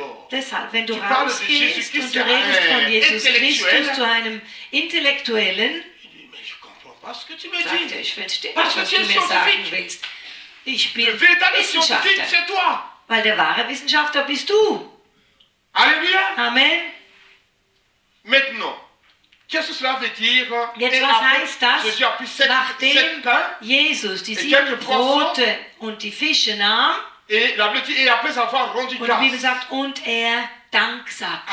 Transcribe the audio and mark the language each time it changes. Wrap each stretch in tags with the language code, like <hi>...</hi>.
<de>Deshalb, wenn du rausgehst und du redest von Jesus Christus zu einem Intellektuellen, sagt er, ich verstehe nicht, was du mir sagen willst. Ich bin Wissenschaftler. Weil der wahre Wissenschaftler bist du. Alléluia. Amen.</de> <fr>Maintenant, qu'est-ce que cela veut dire?</fr> <de>Jetzt, was heißt das?</de> <fr>Je suis sept,</fr> <de>nachdem</de> <fr>sept pains,</fr> <de>Jesus die sieben Brote und die Fische nahm,</de> <fr>et après avoir rendu</fr> <de>und die Bibel sagt, und er Dank sagte,</de>